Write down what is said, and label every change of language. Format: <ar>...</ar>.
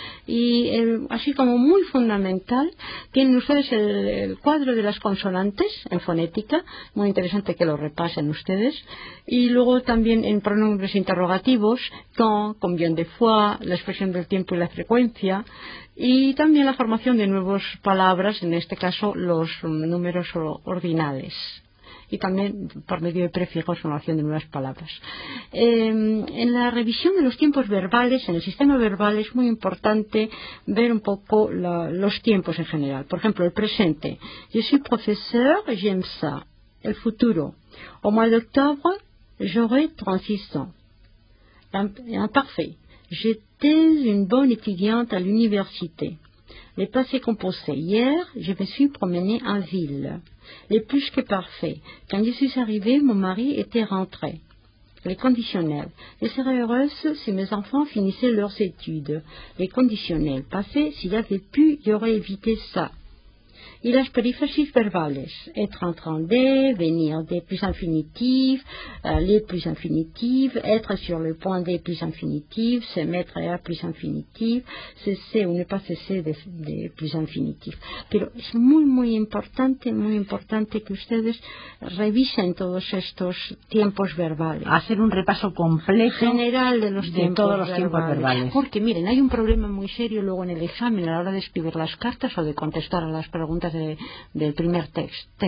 <es>Y así como muy fundamental, tienen ustedes el cuadro de las consonantes en fonética, muy interesante que lo repasen ustedes, y luego también en pronombres interrogativos, ton,</es> <fr>combien de fois,</fr> <es>la expresión del tiempo y la frecuencia, y también la formación de nuevas palabras, en este caso los números ordinales, y también por medio de prefijos, formación de nuevas palabras. En la revisión de los tiempos verbales, en el sistema verbal, es muy importante ver un poco los tiempos en general. Por ejemplo, el presente.</es> <fr>Je suis professeur, j'aime ça.</fr> <es>El futuro.</es> <fr>Au mois d'octobre, j'aurai 36 ans. Imparfait. J'étais une bonne étudiante à l'université. Le passé composé. Hier, je me suis promenée en ville. Le plus que parfait. Quand je suis arrivée, mon mari était rentré. Les conditionnels. Je serais heureuse si mes enfants finissaient leurs études. Les conditionnels. Passé, s'il avait pu, j'aurais évité ça.</fr> <es>Y las perífrasis verbales,</es> <fr>être en train de, venir de, plus infinitif, aller plus infinitif, être sur le point de, plus infinitif, se mettre à, plus infinitif, cesser ou ne pas cesser de plus infinitif.</fr> <es>Pero es muy, muy importante que ustedes revisen todos estos tiempos verbales. Hacer un repaso complejo general de los tiempos de todos los tiempos verbales. Porque miren, hay un problema muy serio luego en el examen a la hora de escribir las cartas o de contestar a las preguntas del primer test.</es>